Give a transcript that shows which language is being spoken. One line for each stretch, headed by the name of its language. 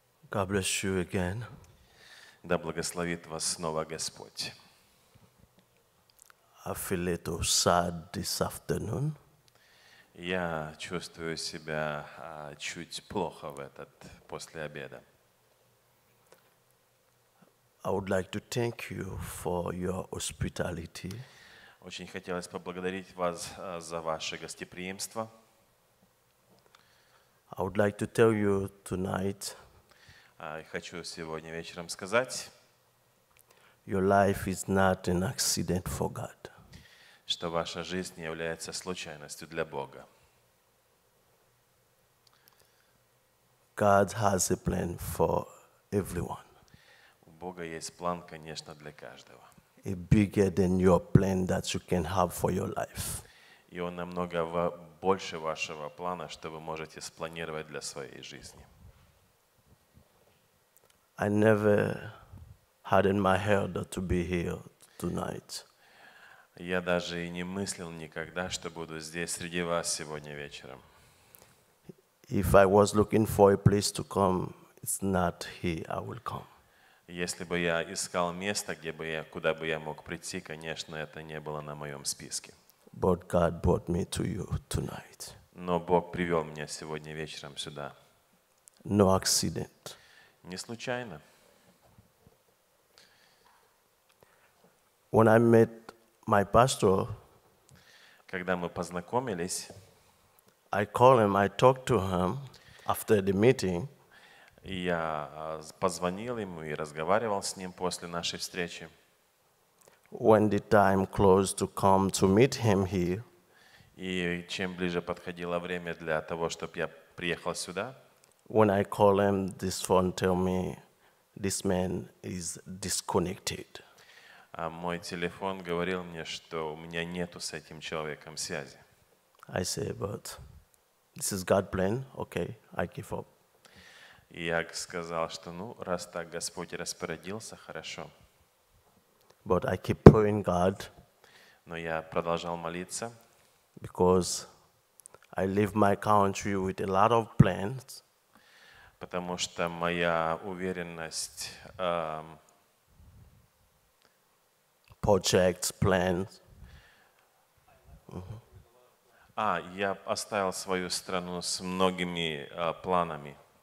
English: God bless you again.
Russian: Да благословит вас снова Господь.
English: I feel a little sad this afternoon.
Russian: Я чувствую себя чуть плохо в этот после обеда.
English: I would like to thank you for your hospitality.
Russian: Очень хотелось поблагодарить вас за ваше гостеприимство.
English: I would like to tell you tonight.
Russian: Хочу сегодня вечером сказать.
English: Your life is not an accident for God.
Russian: Что ваша жизнь не является случайностью для Бога.
English: God has a plan for everyone.
Russian: У Бога есть план, конечно, для каждого.
English: A bigger than your plan that you can have for your life.
Russian: И он намного больше вашего плана, что вы можете спланировать для своей жизни.
English: I never had in my head to be here tonight.
Russian: Я даже и не мыслил никогда, что буду здесь среди вас сегодня вечером.
English: If I was looking for a place to come, it's not here I will come.
Russian: Если бы я искал место, где бы я, куда бы я мог прийти, конечно, это не было на моем списке.
English: But God brought me to you tonight.
Russian: Но Бог привел меня сегодня вечером сюда.
English: No accident.
Russian: Не случайно.
English: When I met my pastor,
Russian: когда мы познакомились,
English: I called him, I talked to him after the meeting.
Russian: Я позвонил ему и разговаривал с ним после нашей встречи.
English: When the time close to come to meet him here,
Russian: и чем ближе подходило время для того, чтобы я приехал сюда,
English: when I call him, this phone tell me this man is disconnected.
Russian: А мой телефон говорил мне, что у меня нету с этим человеком связи.
English: I say, but this is God's plan. Okay, I give up.
Russian: И я сказал, что ну раз так Господь распорядился, хорошо.
English: But I keep praying God.
Russian: Но я продолжал молиться.
English: Because I leave my country with a lot of plans.
Russian: Потому что моя уверенность,
English: projects, plans.
Russian: А я оставил свою страну с многими планами.